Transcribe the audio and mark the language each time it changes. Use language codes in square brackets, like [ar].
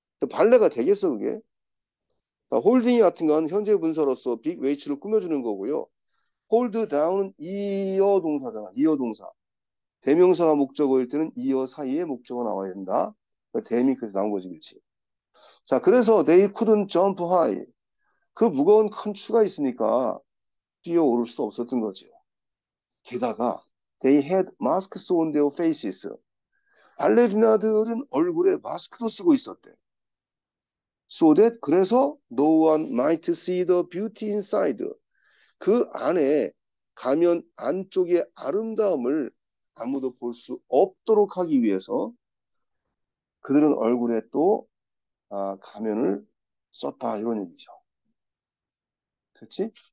[ko] 발레가 되겠어, 그게? holding 같은 건 현재 분사로서 big weight를 꾸며주는 거고요. hold down은 이어 동사잖아, 이어 동사. 대명사가 목적어일 때는 이어 사이에 목적어 나와야 된다. 대미 그래서 나온 거지, 그렇지? 자, 그래서 [en] they couldn't jump high. [ko] 그 무거운 큰 추가 있으니까 뛰어 오를 수도 없었던 거죠. [en] 게다가 they had masks on their faces. [ko] 발레리나들은 얼굴에 마스크도 쓰고 있었대. [en] So that 그래서 no one might see the beauty inside. [ko] 그 안에 가면 안쪽의 아름다움을 아무도 볼수 없도록 하기 위해서 그들은 얼굴에 또 가면을 썼다 이런 얘기죠. 그렇지?